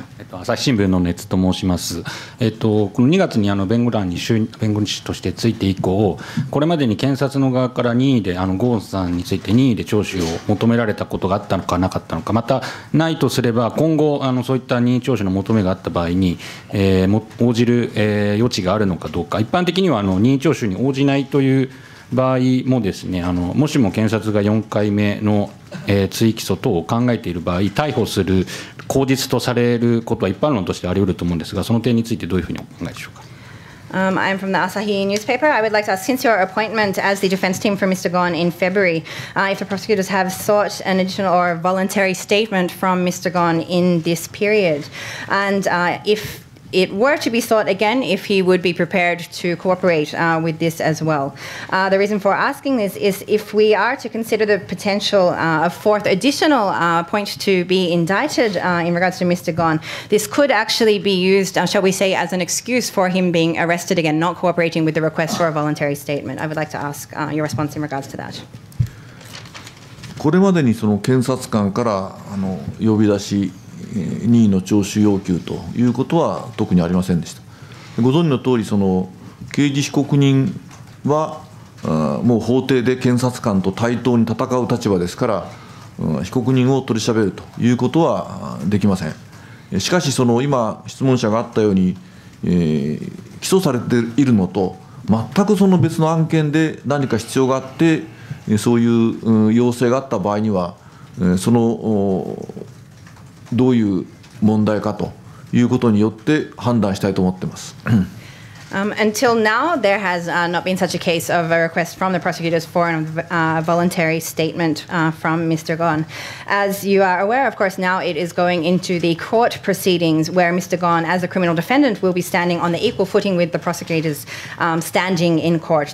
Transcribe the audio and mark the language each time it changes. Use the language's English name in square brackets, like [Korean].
[Japanese] 朝日新聞の熱と申します。この2月に弁護団に弁護士としてついて以降、これまでに検察の側から任意でゴーンさんについて任意で聴取を求められたことがあったのかなかったのか、またないとすれば今後そういった任意聴取の求めがあった場合に、応じる、余地があるのかどうか。一般的には任意聴取に応じないという場合もですね、もしも検察が4回目の、追起訴等を考えている場合、逮捕する口実とされることは一般論としてあり得ると思うんですが、その点についてどういうふうにお考えでしょうか。 [English] I'm from the Asahi newspaper. I would like to ask, since your appointment as the defense team for Mr. Gon in February, if the prosecutors have sought an additional or voluntary statement from Mr. Gon in this period, and if it were to be sought again, if he would be prepared to cooperate with this as well. The reason for asking this is if we are to consider the potential of fourth additional point to be indicted in regards to Mr. Gon, this could actually be used, shall we say, as an excuse for him being arrested again, not cooperating with the request for a voluntary statement. I would like to ask your response in regards to that. [Japanese] これまでにその検察官から呼び出し任意の聴取要求ということは特にありませんでした。ご存じの通り、その刑事被告人はもう法廷で検察官と対等に戦う立場ですから、被告人を取り調べるということはできません。しかし、その今質問者があったように起訴されているのと全くその別の案件で何か必要があってそういう要請があった場合には、そのどういう問題かということによって判断したいと思っています。 [English] Until now, there has not been such a case of a request from the prosecutors for a voluntary statement from Mr. Gon. As you are aware, of course, now it is going into the court proceedings where Mr. Gon, as a criminal defendant, will be standing on the equal footing with the prosecutors standing in court.